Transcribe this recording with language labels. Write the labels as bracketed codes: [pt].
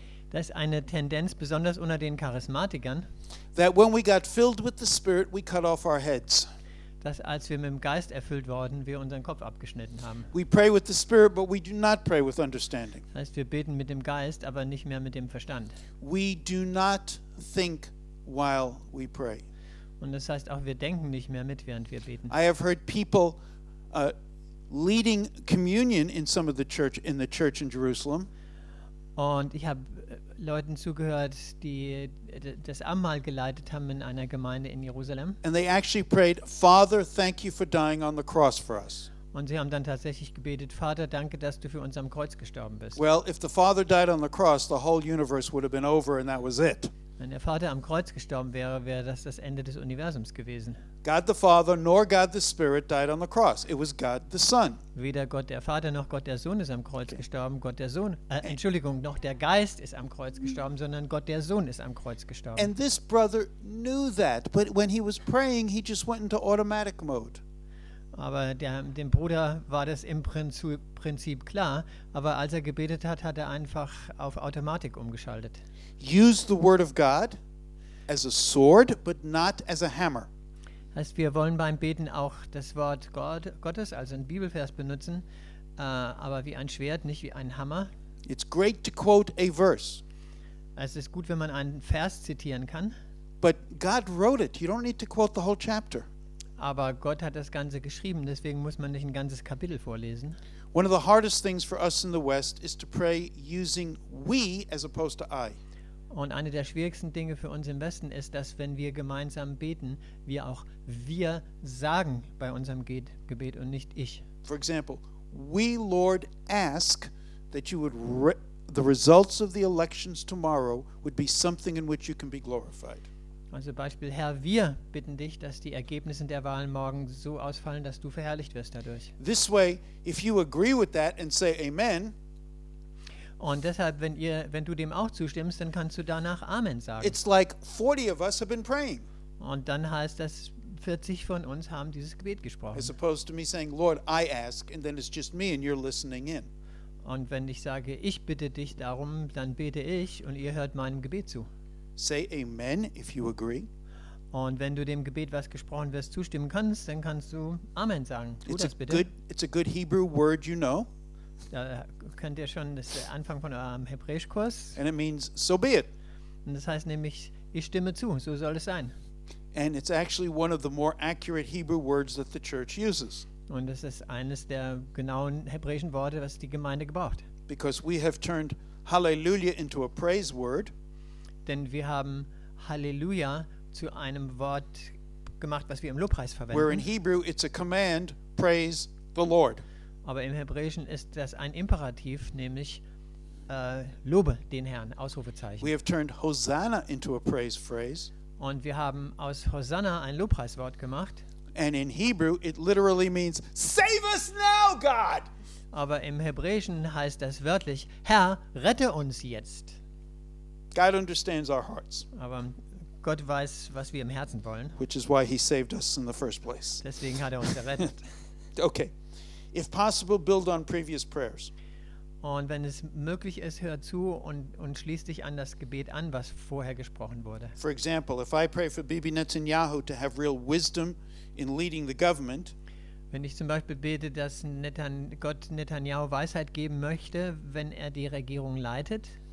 [de] das ist eine Tendenz, besonders unter den Charismatikern, [en] that when we got filled with the Spirit, we cut off our heads. [de] Dass als wir mit dem Geist erfüllt worden, wir unseren Kopf abgeschnitten haben. [en] We pray with the Spirit, but we do not pray with understanding. [de] Das heißt, wir beten mit dem Geist, aber nicht mehr mit dem Verstand. [en] We do not think while we pray. [de] Und das heißt auch, wir denken nicht mehr mit, während wir beten. [en] I have heard people leading communion in some of the church in Jerusalem. [de] Und ich habe Leuten zugehört, die das Abendmahl geleitet haben in einer Gemeinde in Jerusalem. [en] And they actually prayed, "Father, thank you for dying on the cross for us." [de] Und sie haben dann tatsächlich gebetet, Vater, danke, dass du für uns am Kreuz gestorben bist. [en] Well, if the Father died on the cross, the whole universe would have been over and that was it. [de] Wenn der Vater am Kreuz gestorben wäre, wäre das das Ende des Universums gewesen. [en] God the Father nor God the Spirit died on the cross. It was God the Son. [de] Weder Gott der Vater noch Gott der Sohn ist am Kreuz gestorben. Gott der Sohn, Entschuldigung, noch der Geist ist am Kreuz gestorben, sondern Gott der Sohn ist am Kreuz gestorben. [en] And this brother knew that, but when he was praying, he just went into automatic mode. [de] Aber dem Bruder war das im Prinzip klar, aber als er gebetet hat, hat er einfach auf Automatik umgeschaltet. [en] Use the word of God as a sword, but not as a hammer. [de] Heißt, wir wollen beim Beten auch das Wort Gottes, also ein Bibelvers benutzen, aber wie ein Schwert, nicht wie ein Hammer. [en] It's great to quote a verse. [de] Es ist gut, wenn man einen Vers zitieren kann. [en] But God wrote it. You don't need to quote the whole chapter. [de] Aber Gott hat das Ganze geschrieben, deswegen muss man nicht ein ganzes Kapitel vorlesen. [en] One of the hardest things for us in the West is to pray using we as opposed to I. [de] Und eine der schwierigsten Dinge für uns im Westen ist, dass wenn wir gemeinsam beten, wir auch wir sagen bei unserem Gebet und nicht ich. [en] For example, we, Lord, ask that you would the results of the elections tomorrow would be something in which you can be glorified. [de] Also Beispiel, Herr, wir bitten dich, dass die Ergebnisse der Wahlen morgen so ausfallen, dass du verherrlicht wirst dadurch. [en] This way, if you agree with that and say amen, [de] und deshalb, wenn du dem auch zustimmst, dann kannst du danach Amen sagen. [en] It's like 40 of us have been praying. [de] Und dann heißt das, 40 von uns haben dieses Gebet gesprochen. [en] As opposed to me saying, Lord, I ask, and then it's just me and you're listening in. [de] Und wenn ich sage, ich bitte dich darum, dann bete ich und ihr hört meinem Gebet zu. [en] Say amen if you agree. [de] Und wenn du dem Gebet, was gesprochen wird, zustimmen kannst, dann kannst du Amen sagen. Tu [en] it's [de] das bitte. [en] It's a good Hebrew word, you know. [de] Da könnt ihr schon das Anfang von eurem Hebräischkurs. [en] And it means so be it. [de] Und das heißt nämlich, ich stimme zu, so soll es sein. [en] And it's actually one of the more accurate Hebrew words that the church uses. [de] Und das ist eines der genauen hebräischen Worte, was die Gemeinde gebraucht. [en] Because we have turned hallelujah into a praise word. [de] Denn wir haben Halleluja zu einem Wort gemacht, was wir im Lobpreis verwenden. [en] Where in Hebrew it's a command, praise the Lord. [de] Aber im Hebräischen ist das ein Imperativ, nämlich lobe den Herrn, Ausrufezeichen. [en] We have turned Hosanna into a praise phrase. [de] Und wir haben aus Hosanna ein Lobpreiswort gemacht. [en] And in Hebrew it literally means, save us now, God! [de] Aber im Hebräischen heißt das wörtlich, Herr, rette uns jetzt. [en] God understands our hearts. [de] Aber Gott weiß, was wir im Herzen wollen. [en] Which is why he saved us in the first place. [de] Deswegen hat er uns gerettet. [en] Okay. If possible, build on previous prayers. [de] Und wenn es möglich ist, hör zu und schließ dich an das Gebet an, was vorher gesprochen wurde. [en] For example, if I pray for Bibi Netanyahu to have real wisdom in leading the government, [de] wenn ich zum Beispiel bete, dass Gott Netanyahu Weisheit geben möchte, wenn er die Regierung leitet,